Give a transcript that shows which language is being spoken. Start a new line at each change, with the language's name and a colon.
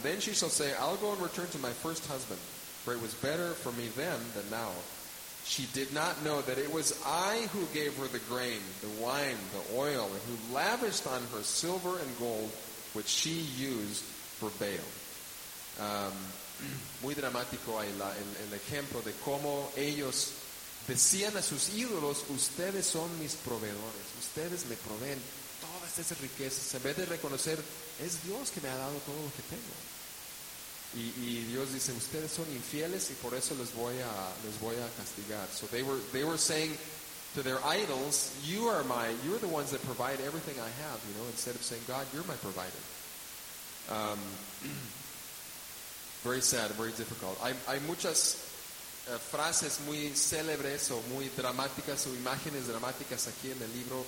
English: Then she shall say, I'll go and return to my first husband, for it was better for me then than now. She did not know that it was I who gave her the grain, the wine, the oil, and who lavished on her silver and gold, which she used for Baal.
Spanish: Muy dramático ahí el ejemplo de cómo ellos decían a sus ídolos, ustedes son mis proveedores, ustedes me proveen todas esas riquezas. En vez de reconocer, es Dios que me ha dado todo lo que tengo. Y Dios dice, ustedes son infieles y por eso les voy a castigar.
English: So they were saying to their idols, you're the ones that provide everything I have, you know, instead of saying, God, you're my provider. Very sad, very difficult.
Spanish: Hay muchas frases muy célebres o muy dramáticas o imágenes dramáticas aquí en el libro.